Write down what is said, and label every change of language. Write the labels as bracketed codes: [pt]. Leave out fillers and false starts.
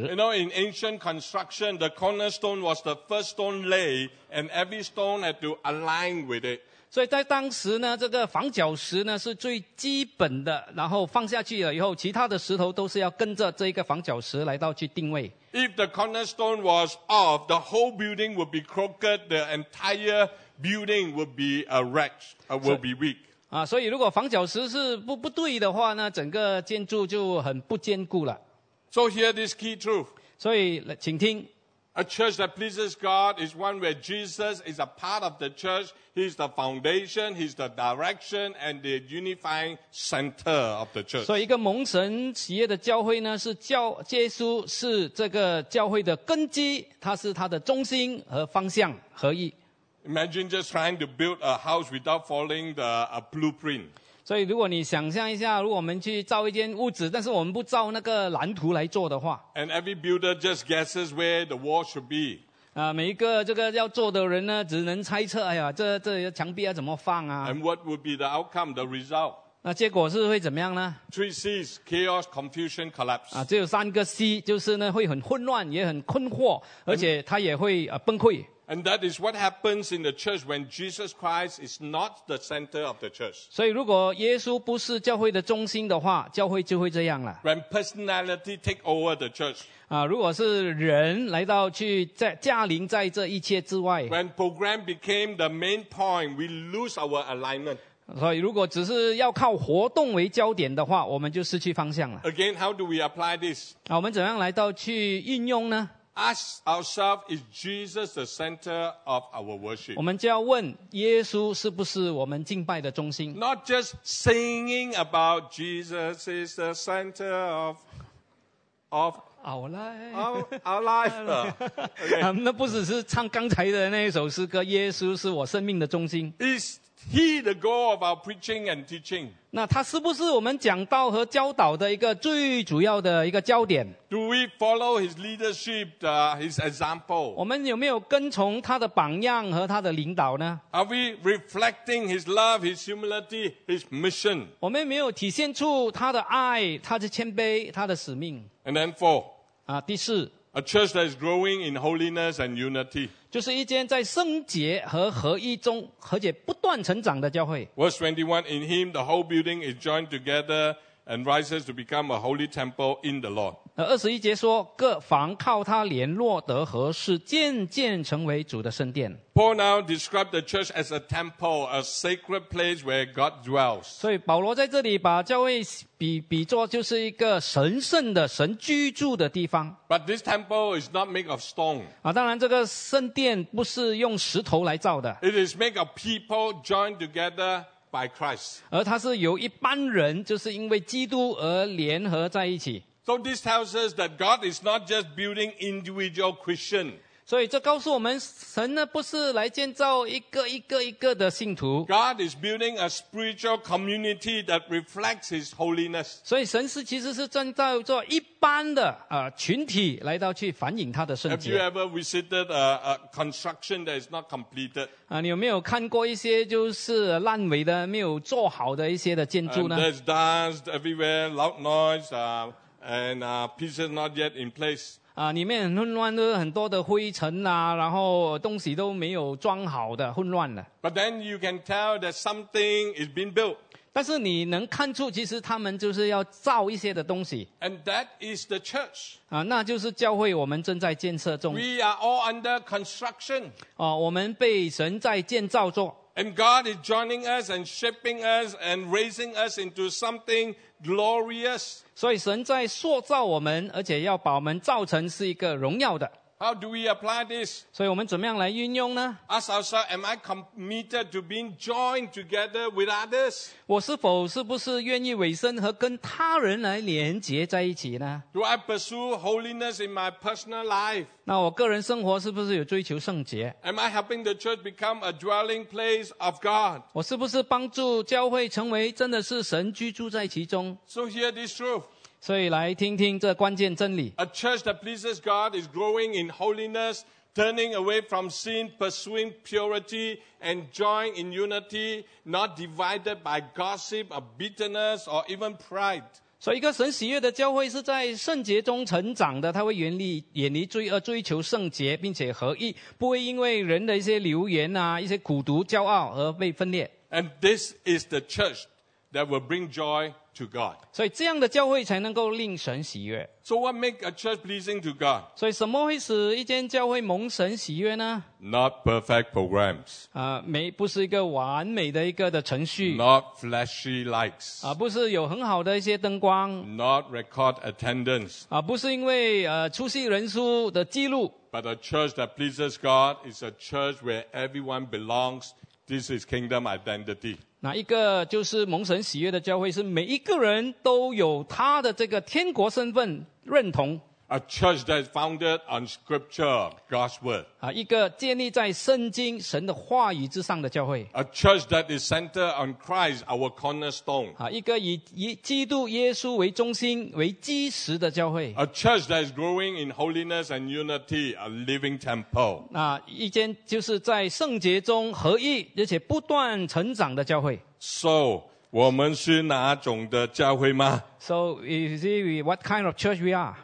[en] You know, in ancient construction, the cornerstone was the first stone laid, and every stone had to align with it. [zh] 所以在当时呢，这个房角石呢是最基本的，然后放下去了以后，其他的石头都是要跟着这一个房角石来到去定位。 [en] If the cornerstone was off, the whole building would be crooked, the entire building would be a wreck, would be weak. [zh] 所以如果房角石是不对的话呢，整个建筑就很不坚固了。 [en] So hear this key truth. [zh] 所以请听。 [en] A church that pleases God is one where Jesus is a part of the church. He's the foundation, He's the direction, and the unifying center of the church. [zh] 所以一个蒙神喜悦的教会呢，是教耶稣是这个教会的根基，它是它的中心和方向合一。 [en] Imagine just trying to build a house without following the blueprint. [zh] 所以如果你想象一下，如果我们去造一间屋子，但是我们不照那个蓝图来做的话。 [en] And every builder just guesses where the wall should be. [zh] 每一个这个要做的人呢，只能猜测，哎呀，这墙壁要怎么放啊。 [en] And what would be the outcome, the result? [zh] 那结果是会怎么样呢？ [en] Three C's, chaos, confusion, collapse. [zh] 只有三个 C, 就是呢，会很混乱，也很困惑，而且他也会崩溃。 [en] And that is what happens in the church when Jesus Christ is not the center of the church. [zh] 所以如果耶稣不是教会的中心的话，教会就会这样了。 [en] When personality take over the church. [zh] 如果是人来到去驾临在这一切之外。 [en] When program became the main point, we lose our alignment. [zh] 所以如果只是要靠活动为焦点的话，我们就失去方向了。 [en] Again, how do we apply this? [zh] 我们怎样来到去运用呢？ [en] Ask ourselves, is Jesus the center of our worship? [zh] 我们就要问耶稣是不是我们敬拜的中心。 [en] Not just singing about Jesus is the center of our life. Our life. Okay. [zh] 那不只是唱刚才的那一首诗歌，耶稣是我生命的中心。 [en] Is he the goal of our preaching and teaching? [zh] 那他是不是我们讲道和教导的一个最主要的一个焦点？ [en] Do we follow his leadership, his example? [zh] 我们有没有跟从他的榜样和他的领导呢？ [en] Are we reflecting his love, his humility, his mission? [zh] 我们有没有体现出他的爱、他的谦卑、他的使命？ [en] And then four. [zh] 第四。 [en] A church that is growing in holiness and unity. [zh] 就是一间在圣洁和合一中，而且不断成长的教会。 [en] Verse 21, in him the whole building is joined together and rises to become a holy temple in the Lord. [zh] 21节说，各房靠他联络得合适，渐渐成为主的圣殿。 [en] Paul now described the church as a temple, a sacred place where God dwells. [zh] 所以保罗在这里把教会比作就是一个神圣的神居住的地方。 [en] But this temple is not made of stone. [zh] 当然这个圣殿不是用石头来造的。 [en] It is made of people joined together by Christ. [zh] 而它是由一般人就是因为基督而联合在一起。 [en] So this tells us that God is not just building individual Christians. [zh] 所以这告诉我们，神呢不是来建造一个一个一个的信徒。 [en] God is building a spiritual community that reflects His holiness. [zh] 所以神是其实是建造做一般的群体，来到去反映他的圣洁。 [en] Have you ever visited a construction that is not completed? [zh] 你有没有看过一些就是烂尾的、没有做好的一些的建筑呢 [en] ？There's dust everywhere, loud noise, and pieces not yet in place. [zh] 里面很混乱，都很多的灰尘啊，然后东西都没有装好的，混乱了。 [en] But then you can tell that something is being built. [zh] 但是你能看出，其实他们就是要造一些的东西。 [en] And that is the church. [zh] 那就是教会，我们正在建设中。 [en] We are all under construction. [zh] 我们被神在建造中。 [en] And God is joining us and shaping us and raising us into something glorious. [zh] 所以神在塑造我们，而且要把我们造成是一个荣耀的。 [en] How do we apply this? [zh] 所以我们怎么样来运用呢？ [en] Ask ourselves, am I committed to being joined together with others? [zh] 我是否是不是愿意委身和跟他人来连结在一起呢？ [en] Do I pursue holiness in my personal life? [zh] 那我个人生活是不是有追求圣洁？ [en] Am I helping the church become a dwelling place of God? [zh] 我是不是帮助教会成为真的是神居住在其中？ [en] So hear this truth. [zh] 所以来听听这关键真理。 [en] A church that pleases God is growing in holiness, turning away from sin, pursuing purity, and joined in unity, not divided by gossip or bitterness or even pride. [zh] 所以一个神喜悦的教会是在圣洁中成长的，他会远离罪恶，追求圣洁，并且合一，不会因为人的一些流言啊、一些苦毒、骄傲而被分裂。 [en] And this is the church that will bring joy. To God. [zh] 所以这样的教会才能够令神喜悦。 [en] So what makes a church pleasing to God? [zh] 所以什么会使一间教会蒙神喜悦呢？ [en] Not perfect programs. [zh] 不是一个完美的一个的程序。 [en] Not flashy lights. [zh] 不是有很好的一些灯光。 [en] Not record attendance. [zh] 不是因为出席人数的记录。 [en] But a church that pleases God is a church where everyone belongs. This is kingdom identity. [zh] 那一个就是蒙神喜悦的教会，是每一个人都有他的这个天国身份认同。 [en] A church that is founded on scripture, God's word. [zh] 一个建立在圣经神的话语之上的教会。 [en] A church that is centered on Christ, our cornerstone. [zh] 一个以基督耶稣为中心为基石的教会。 [en] A church that is growing in holiness and unity, a living temple. [zh] 一间就是在圣洁中合一，而且不断成长的教会。 So, 我们是哪种的教会吗？ [en] So, you see, what kind of church we are?